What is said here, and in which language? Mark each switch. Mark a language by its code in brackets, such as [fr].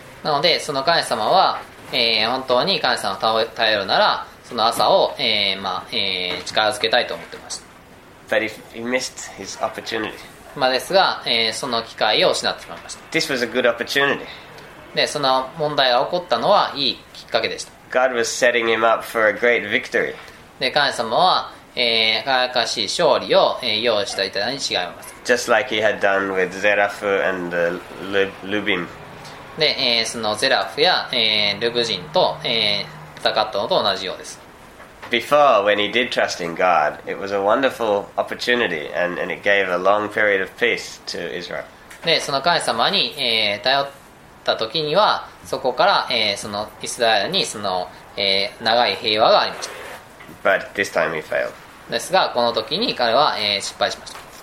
[ja] なので、その神様は、本当に神様を頼るなら、その朝を、まあ、力づけたいと思ってました。 [en] But he missed his opportunity. [ja] まあですが、その機会を失ってしまいました。 [en] This was a good opportunity. [ja] で、その問題が起こったのはいいきっかけでした。 [en] God was setting him up for a great victory. [ja] で、神様は、輝かしい勝利を、用意していただいたに違います。 [en] Just like he had done with Zeraph and the Lubim. [ja] で、そのゼラフや、ルブ人と、戦ったのと同じようです。 [en] Before, when he did trust in God, it was a wonderful opportunity and it gave a long period of peace to Israel. [ja] で、その神様に、頼った時には、そこから、そのイスラエルにその、長い平和がありました。 [en] But this time he failed. [ja] ですがこの時に彼は、失敗しました。